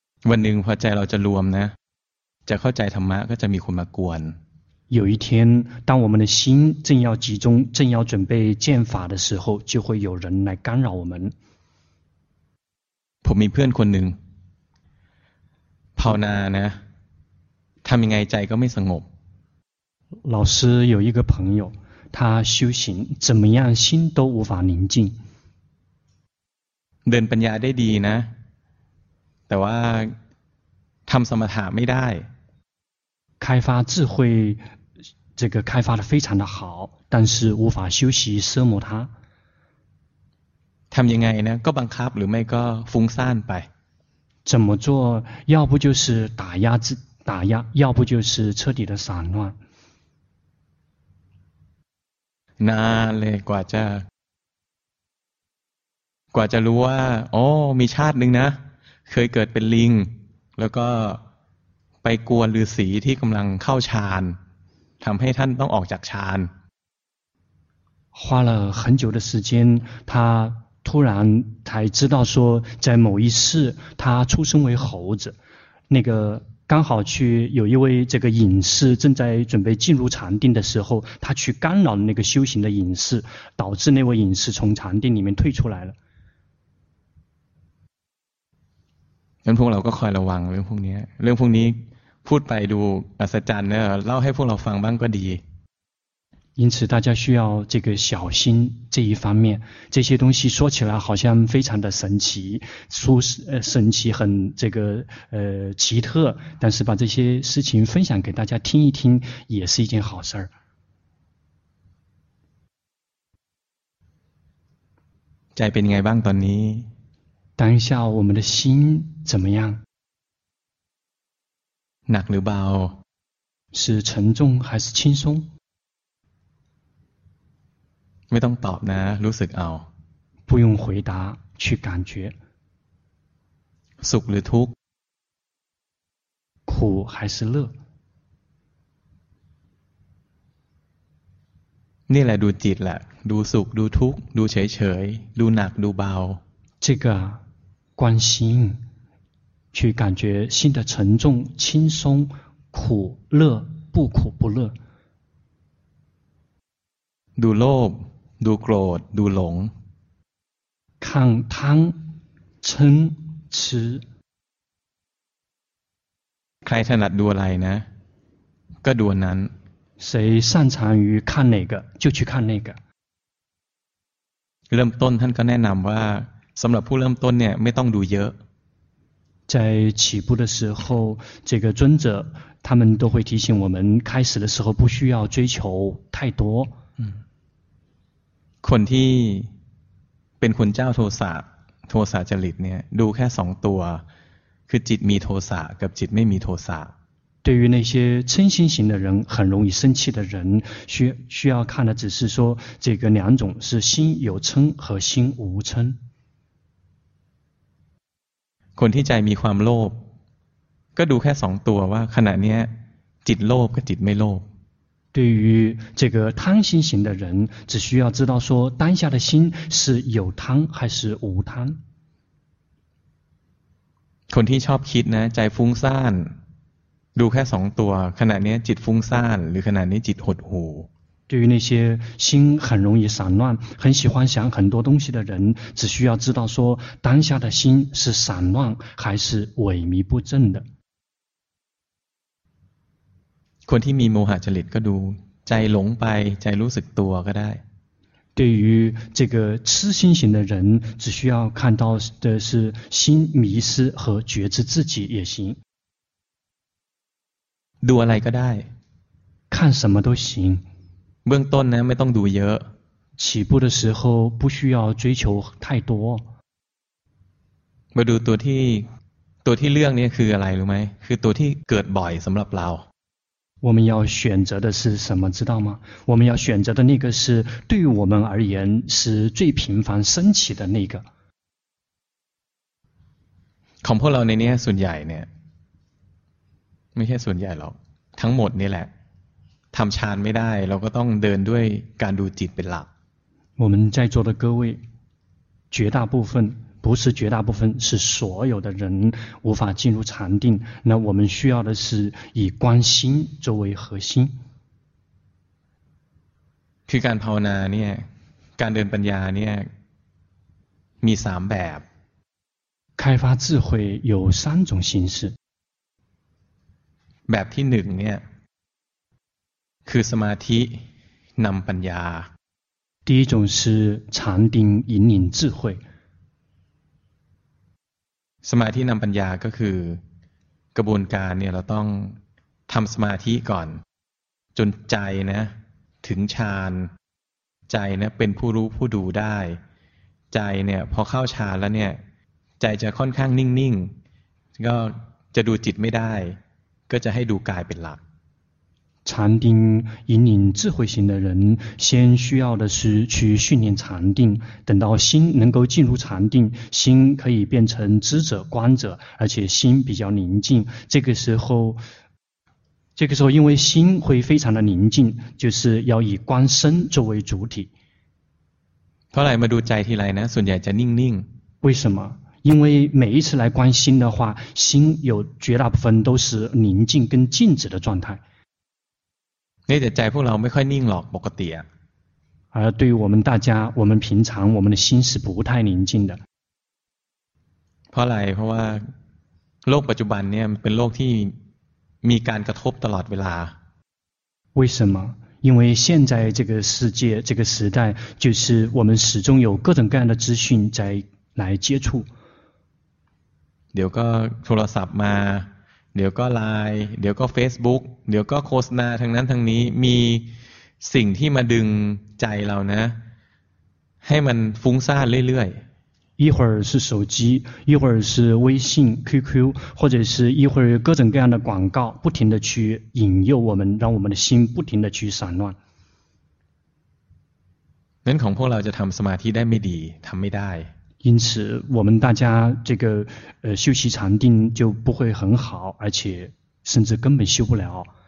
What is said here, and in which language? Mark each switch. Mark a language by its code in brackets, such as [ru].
[th] วันหนึ่งพอใจเราจะรวมนะจะเข้าใจธรรมะก็จะมีคนมากวน [zh] 有一天当我们的心正要集中正要准备见法的时候就会有人来干扰我们 [th] ผมมีเพื่อนคนหนึ่งภาวนานะทำยังไงใจก็ไม่สงบ [zh] 老师有一个朋友他修行怎么样心都无法宁静 [th] เดินปัญญาได้ดีนะแต่ว่าทำสมถะไม่ได้ [zh] 开发智慧这个开发的非常的好但是无法修习奢摩他 [th] ทำยังไงนะก็บังคับหรือไม่ก็ฟุ้งซ่านไป [zh] 怎么做要不就是打压要不就是彻底的散乱 [th] นานเลยกว่าจะ กว่าจะรู้ว่าอ๋อมีชาตินึงนะเคยเกิดเป็นลิงแล้วก็ไปกวนฤาษีที่กำลังเข้าฌานทำให้ท่านต้องออกจากฌาน [zh] 花了很久的时间，他突然才知道说，在某一世他出生为猴子，那个刚好去有一位这个隐士正在准备进入禅定的时候，他去干扰了那个修行的隐士，导致那位隐士从禅定里面退出来了。 [th] งั้นพวกเราก็คอยระวังเรื่องพวกนี้เรื่องพวกนี้พูดไปดูอัศจรรย์เนี่ยเล่าให้พวกเราฟังบ้างก็ดี [zh] 因此大家需要这个小心这一方面这些东西说起来好像非常的神奇神奇很这个奇特但是把这些事情分享给大家听一听也是一件好事儿。 [th] 在เป็นไงบ้างตอนนี้ [zh] 当下我们的心怎么样 [th] หนักหรือเบา [zh] 是沉重还是轻松 [th] ไม่ต้องตอบนะรู้สึกเอา [zh] 不用回答去感觉 [th] สุขหรือทุกข์ [zh] 苦还是乐 [th] นี่แหละดูจิตแหละดูสุขดูทุกข์ดูเฉยเฉยดูหนักดูเบา [zh] 这个关心去感觉心的沉重轻松苦乐不苦不乐 [th] ดูโลภดูโกรธดูหลง [zh] 看贪嗔痴 [th] ใครถนัดดูอะไรนะก็ดูนั้น [zh] 谁擅长于看哪个就去看那个 [th] เริ่มต้นท่านก็แนะนำว่าสำหรับผู้เริ่มต้นเนี่ยไม่ต้องดูเยอะ [zh] 在起步的时候这个尊者他们都会提醒我们开始的时候不需要追求太多 [th] คนที่เป็นคนเจ้าโทสะจริตเนี่ยดูแค่สองตัวคือจิตมีโทสะกับจิตไม่มีโทสะ [zh] 对于那些嗔心型的人很容易生气的人需要看的只是说这个两种是心有嗔和心无嗔 [th] คนที่ใจมีความโลภก็ดูแค่สองตัวว่าขณะนี้จิตโลภกับจิตไม่โลภ [zh] 对于这个贪心型的人只需要知道说当下的心是有贪还是无贪 [th] คนที่ชอบคิดนะใจฟุ้งซ่านดูแค่สองตัวขณะนี้จิตฟุ้งซ่านหรือขณะนี้จิตหดหู [zh] 对于那些心很容易散乱很喜欢想很多东西的人只需要知道说当下的心是散乱还是萎靡不振的 [th] คนที่มีโมหะจริตก็ดูใจหลงไปใจรู้สึกตัวก็ได้ [zh] 对于这个痴心型的人只需要看到的是心迷失和觉知自己也行 [th] ดูอะไรก็ได้ [zh] 看什么都行 [th] เบื้องต้นนะไม่ต้องดูเยอะ [zh] 起步的时候不需要追求太多 [th] มาดูตัวที่เรื่องนี้คืออะไรรู้ไหมคือตัวที่เกิดบ่อยสำหรับเรา วันนี้เราจะเลือกที่จะเป็นอะไรรู้ไหมเราจะเลือกที่จะเป็นนั่นคือสิ่งที่เราเรียนคือที่ผิวฟังสังขีดนั่น ของพวกเราในนี้ส่วนใหญ่เนี่ยไม่ใช่ส่วนใหญ่หรอกทั้งหมดนี่แหละทำฌานไม่ได้เราก็ต้องเดินด้วยการดูจิตเป็นหลัก [zh] 我们在座的各位绝大部分不是绝大部分是所有的人无法进入禅定那我们需要的是以观心作为核心 [th] คือการภาวนาเนี่ยการเดินปัญญาเนี่ยมีสามแบบ [zh] 开发智慧有三种形式 [th] แบบที่หนึ่งเนี่ยคือสมาธินำปัญญา [zh] 第一种是禅定引领智慧 [th] สมาธินำปัญญาก็คือกระบวนการเนี่ยเราต้องทำสมาธิก่อนจนใจนะถึงฌานใจนะเป็นผู้รู้ผู้ดูได้ใจเนี่ยพอเข้าฌานแล้วเนี่ยใจจะค่อนข้างนิ่งๆก็จะดูจิตไม่ได้ก็จะให้ดูกายเป็นหลัก [zh] 禅定引领智慧型的人，先需要的是去训练禅定。等到心能够进入禅定，心可以变成知者、观者，而且心比较宁静。这个时候因为心会非常的宁静，就是要以观身作为主体。后来我们读在体来呢，瞬间在宁静。为什么？因为每一次来观心的话，心有绝大部分都是宁静跟静止的状态。那在在 [th] พวกเราไม่ค่อยนิ่งหรอกปกติอ่ะ [zh] 而对于我们大家，我们平常我们的心是不太宁静的。 [th] เพราะอะไรเพราะว่าโลกปัจจุบันเนี่ยมันเป็นโลกที่มีการกระทบตลอดเวลา [zh] 为什么？因为现在这个世界这个时代，就是我们始终有各种各样的资讯在来接触。 [th] เดี๋ยวก็โทรศัพท์มาเดี๋ยวก็ไลน์เดี๋ยวก็เฟซบุ๊กเดี๋ยวก็โฆษณาทั้งนั้นทั้งนี้มีสิ่งที่มาดึงใจเรานะให้มันฟุ้งซ่านเรื่อย [zh] ๆ一会儿是手机一会儿是微信 QQ 或者是一会儿各种各样的广告不停的去引诱我们让我们的心不停的去散乱 [th] นั้นของพวกเราจะทำสมาธิได้ไม่ดีทำไม่ได้ [zh] 因此我们大家这个修习禅定就不会很好而且甚至根本修不了